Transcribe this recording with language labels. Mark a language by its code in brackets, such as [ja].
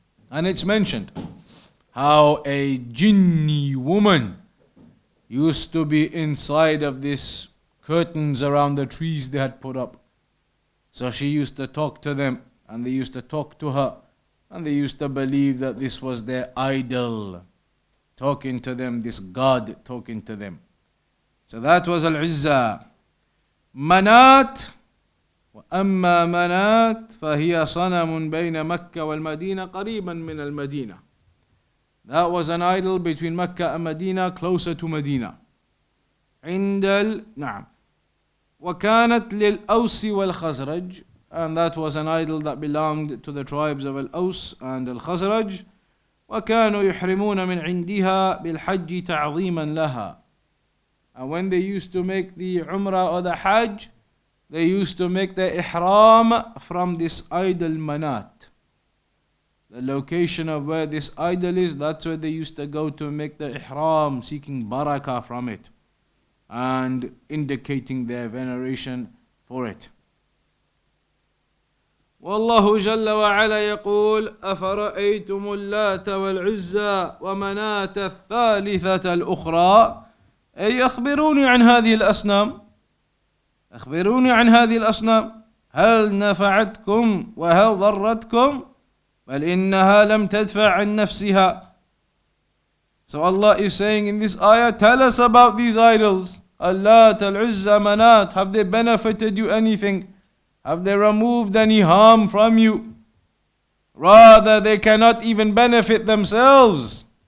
[en] And it's mentioned how a jinni woman used to be inside of this curtains around the trees they had put up. So she used to talk to them, and they used to talk to her, and they used to believe that this was their idol talking to them, this god talking to them. So that was Al-Uzza. Manat. [ar] أما منات فهي صنم بين مكة والمدينة قريبا من المدينة. [en] That was an idol between Mecca and Medina, closer to Medina. [ar] عند ال... نعم. وكانت للأوس والخزرج. [en] And that was an idol that belonged to the tribes of Al-Aws and Al-Khazraj. [ar] وكانوا يحرمون من عندها بالحج تعظيما لها. [en] And when they used to make the Umrah or the Hajj, they used to make the ihram from this idol Manat. The location of where this idol is, that's where they used to go to make the ihram, seeking barakah from it and indicating their veneration for it. [ar] والله جل وعلا يقول أفرأيتم اللات والعزى ومناة الثالثة الأخرى، أي أخبروني عن هذه الأصنام، أخبروني عن هذه الأصنام، هل نفعتكم وهل ضرتكم؟ بل إنها لم تدفع عن نفسها. [en] So Allah is saying in this ayah, tell us about these idols. Allat, Al-Uzza, Manat, have they benefited you anything? Have they removed any harm from you? Rather, they cannot even benefit themselves.